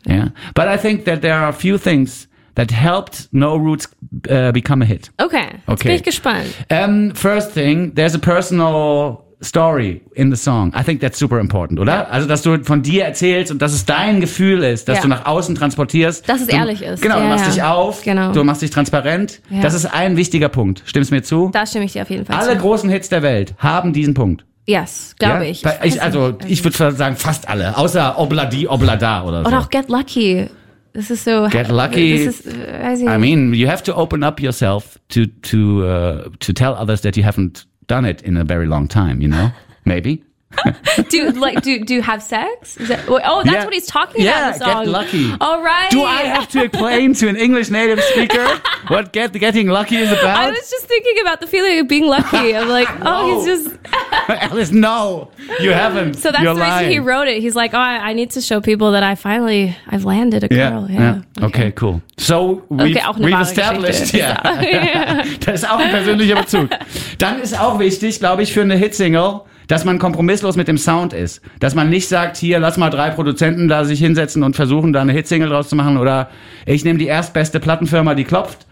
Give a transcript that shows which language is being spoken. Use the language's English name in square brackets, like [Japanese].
[English] Yeah, but I think that there are a few things that helped No Roots become a hit. [German] Okay. Okay. Jetzt bin ich gespannt. [English] First thing, there's a personal Story in the song. I think that's super important, [German] oder? Ja. Also, dass du von dir erzählst und dass es dein Gefühl ist, dass du nach außen transportierst. Dass es ehrlich ist. Genau, du machst dich auf, du machst dich transparent. Ja. Das ist ein wichtiger Punkt. Stimmst du mir zu? Da stimme ich dir auf jeden Fall alle zu. Alle großen Hits der Welt haben diesen Punkt. Yes, glaube ich. Ich würde sagen, fast alle. Außer Obladi, Oblada oder so. Oder auch [English] Get Lucky. This is so. Get lucky. I mean, you have to open up yourself to tell others that you haven't done it in a very long time, you know? Maybe. do you have sex? That's what he's talking about in the song. Yeah, get lucky. All right. Do I have to explain to an English native speaker what getting lucky is about? I was just thinking about the feeling of being lucky. I'm like, no. Oh, he's just... Alice, no, you haven't. So that's You're the reason lying. He wrote it. He's like, oh, I need to show people that I've landed a girl. Yeah. Okay, cool. So we've established, [German] das ist auch ein persönlicher Bezug. Dann ist auch wichtig, glaube ich, für eine Hitsingle, dass man kompromisslos mit dem Sound ist. Dass man nicht sagt, hier, lass mal drei Produzenten da sich hinsetzen und versuchen, da eine Hitsingle draus zu machen oder ich nehme die erstbeste Plattenfirma, die klopft.